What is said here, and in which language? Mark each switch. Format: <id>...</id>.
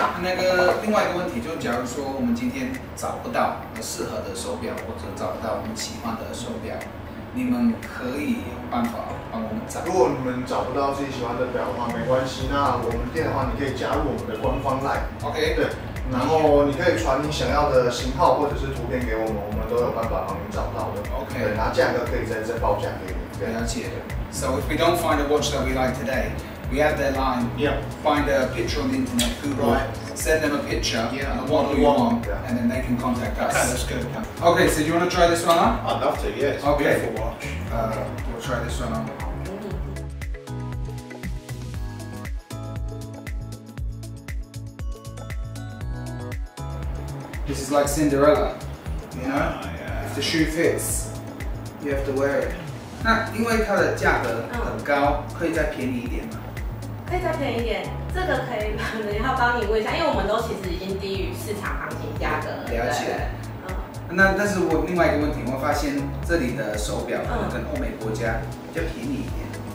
<zh>那个另外一个问题，就假如说我们今天找不到适合的手表，或者找不到我们喜欢的手表，你们可以有办法帮我们找。如果你们找不到自己喜欢的表的话，没关系，那我们店的话，你可以加入我们的官方 LINE。 OK，对，然后你可以传你想要的型号或者是图片给我们，我们都有办法帮你找到的。 OK，对，那价格可以再报价给你。对，了解。</zh> <en>So if we don't find a watch that we like today。 We have their line. Yeah. Find a picture on the internet. Google. Right. Send them a picture. Yeah. What do you want? Yeah. And then they can contact us. Okay, that's good. Okay. So do you want to try this one on? I'd love to. Yes. Okay. Beautiful watch. We'll try this one on. This is like Cinderella. You know. Yeah. If the shoe fits, you have to wear it.</en> <zh>那因为它的价格很高，可以再便宜一点吗？可以再便宜一点，这个可以，可能要帮你问一下，因为我们都其实已经低于市场行情价格了。了解。那但是我另外一个问题，我发现这里的手表可能跟欧美国家比较便宜一点。</zh>